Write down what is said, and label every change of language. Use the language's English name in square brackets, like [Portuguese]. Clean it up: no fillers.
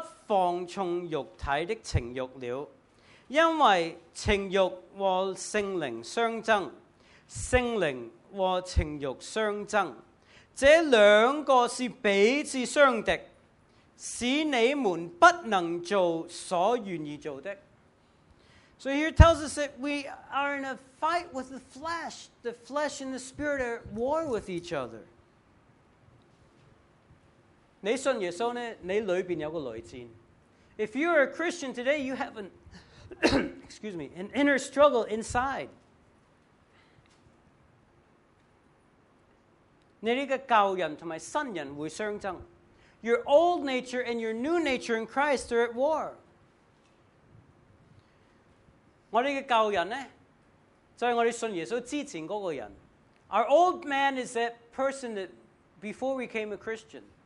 [Chinese] 加拉太书第5章16节是这样说，我说你们当顺着圣灵而行，就不放纵肉体的情欲了。因为情欲和圣灵相争，圣灵和情欲相争，这两个是彼此相敌，使你们不能做所愿意做的。 [English] So here tells us that we are in a fight with the flesh. The flesh and the spirit are at war with each other. [Chinese] 你信耶稣呢？你里边有个内战。 [English] If you are a Christian today, you have an excuse me, an inner struggle inside. [Chinese] 你这个旧人和新人会相争。 [English] Your old nature and your new nature in Christ are at war. [Chinese] 我这个旧人呢，就是我们信耶稣之前那个人。 [English] Our old man is that person that before we came a Christian.